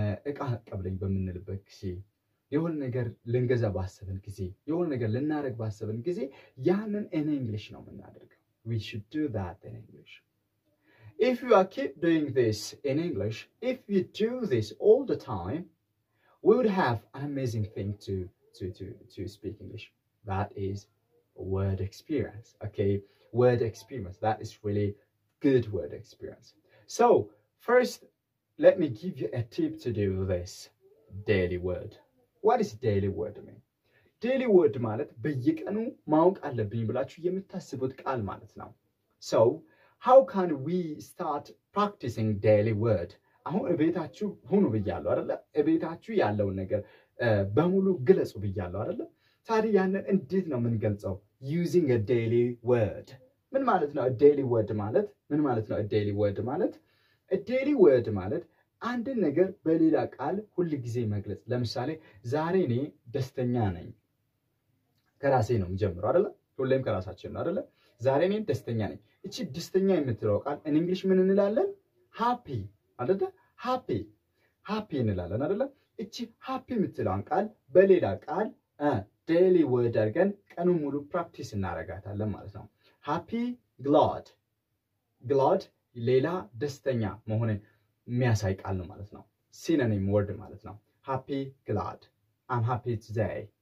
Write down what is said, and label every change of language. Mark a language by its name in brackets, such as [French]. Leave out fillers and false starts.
[Amharic] እቃ ቀብለኝ በመነልበት ጊዜ የሆነ ነገር ልንገዛ ባሰብን ጊዜ የሆነ ነገር ልናረግ ባሰብን ጊዜ ያንን እኔ እንግሊሽ ነው የምናደርገው [English] we should do that in english If you are keep doing this in English, if you do this all the time, we would have an amazing thing to speak English. That is word experience. Okay, word experience. That is really good word experience. So first, let me give you a tip to do this daily word. What is daily word mean? [Amharic] Daily word ማለት በየቀኑ ማወቅ አለብኝ ብላችሁ የምታስቡት ቃል ማለት ነው. [English] So How can we start practicing daily word? [Amharic] አሁን እቤታችሁ ሆኖ ብያለሁ አይደለ? እቤታችሁ ያለውን ነገር በሙሉ ግለጹ ብያለሁ አይደለ? ታዲያ ያንን እንዴት ነው ምን ገልጸው? [English] Using a daily word. [Amharic] ምን ማለት ነው a daily word ማለት? ምን ማለት ነው a daily word ማለት? A daily word ማለት አንድ ነገር በሌላ ቃል ሁሉ ጊዜ መግለጽ። ለምሳሌ ዛሬ እኔ ደስተኛ ነኝ። ከራሴ ነው የምጀምረው አይደለ? ሁሌም ከራሳችን ነው አይደለ? ዛሬ እኔ ደስተኛ ነኝ። እቺ ደስተኛ የምትለው ቃል in english ምን እንላለን happy አይደለ happy እንላለን አይደለ እቺ happy የምትለው ቃል በሌላ ቃል daily word አድርገን ቀኑ ሙሉ practice እናረጋታለን ማለት ነው happy glad ሌላ ደስተኛ መሆንን የሚያሳይ ቃል ነው ማለት ነው synonym word ማለት ነው [English] happy glad i'm happy today